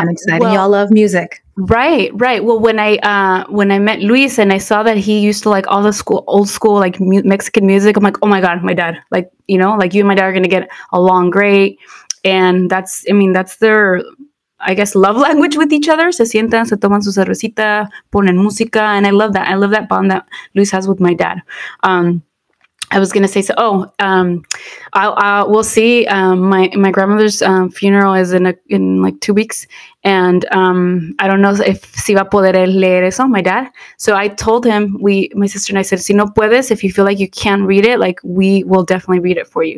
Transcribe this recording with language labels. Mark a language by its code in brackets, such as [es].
[en] I'm excited. Well, y'all love music. Right. Well, when I met Luis and I saw that he used to like all the old school, like Mexican music, I'm like, oh my God, my dad, like, you know, like you and my dad are going to get along great. And that's their, I guess, love language with each other. [es] Se sientan, se toman su cervecita, ponen música. [en] And I love that. I love that bond that Luis has with my dad. I was going to say, we'll see. My grandmother's funeral is in like 2 weeks. And I don't know if [es] si va a poder leer eso, [en] my dad. So I told him, my sister and I said, [es] si no puedes, [en] if you feel like you can read it, like we will definitely read it for you.